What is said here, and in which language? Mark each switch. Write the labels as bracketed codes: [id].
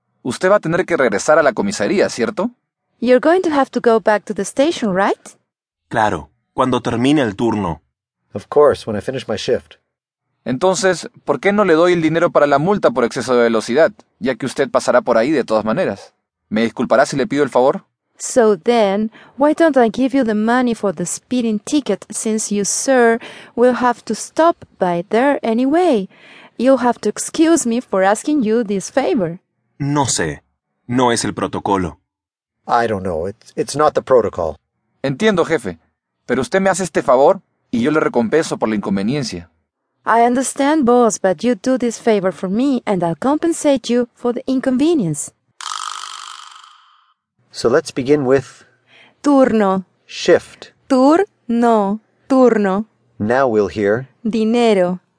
[es] Usted va a tener que regresar a la comisaría, ¿cierto? [en] You're going to have to go back to the station, right? [es] Claro, cuando termine el turno. [en] Of course, when I finish my shift. [es] Entonces, ¿por qué no le doy el dinero para la multa por exceso de velocidad, ya que usted pasará por ahí de todas maneras? ¿Me disculpará si le pido el favor? [en] So then, why don't I give you the money for the speeding ticket, since you, sir, will have to stop by there anyway? You'll have to excuse me for asking you this favor. [es] No sé. No es el protocolo. [en] I don't know. It's not the protocol. [es] Entiendo, jefe. Pero usted me hace este favor y yo le recompenso por la inconveniencia. [en] I understand, boss, but you do this favor for me and I'll compensate you for the inconvenience. So let's begin with... [es] Turno. [en] Shift. [es] Turno. Turno. [en] Now we'll hear... [es] Dinero.